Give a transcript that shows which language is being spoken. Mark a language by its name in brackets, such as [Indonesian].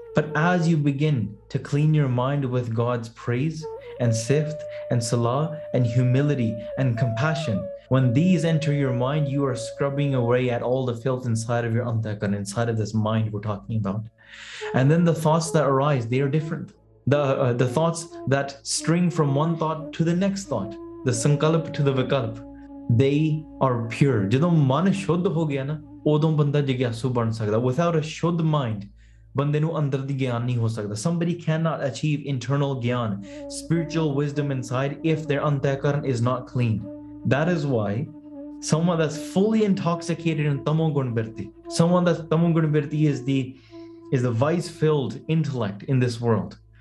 [English] But as you begin to clean your mind with God's praise and sift and salah and humility and compassion, when these enter your mind, you are scrubbing away at all the filth inside of your antahkaran, inside of this mind we're talking about. And then the thoughts that arise, they are different. The thoughts that string from one thought to the next thought, the sankalp to the vikalp, they are pure. [Punjabi] ਜਦੋਂ ਮਨ ਸ਼ੁੱਧ ਹੋ ਗਿਆ ਨਾ ਉਦੋਂ ਬੰਦਾ ਜਗਿਆਸੂ ਬਣ ਸਕਦਾ. [English] without a ਸ਼ੁੱਧ mind [Punjabi] ਬੰਦੇ ਨੂੰ ਅੰਦਰ ਦੀ ਗਿਆਨ ਨਹੀਂ ਹੋ ਸਕਦਾ. [English] Somebody cannot achieve internal gyan, spiritual wisdom inside, if their antakaran is not clean. That is why someone that's fully intoxicated in tamogun virti, someone that's tamogun virti is the vice filled intellect in this world.